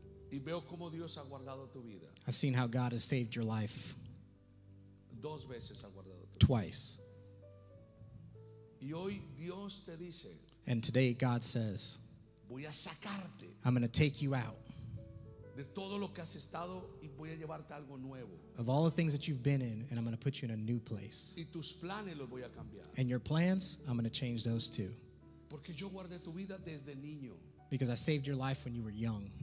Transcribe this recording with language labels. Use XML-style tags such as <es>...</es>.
<es>Y veo como Dios ha guardado tu vida.</es> <en>I've seen how God has saved your life.</en> <es>Dos veces ha guardado tu</es> <en>twice.</en> <es>Y hoy Dios te dice,</es> <en>and today God says,</en> <es>voy a sacarte,</es> <en>I'm going to take you out</en> <es>de todo lo que has estado, y voy a llevarte algo nuevo.</es> <en>Of all the things that you've been in, and I'm going to put you in a new place.</en> <es>Y tus planes los voy a cambiar.</es> <en>And your plans, I'm going to change those too.</en> <es>Porque yo guardé tu vida desde niño.</es> <en>Because I saved your life when you were young.</en>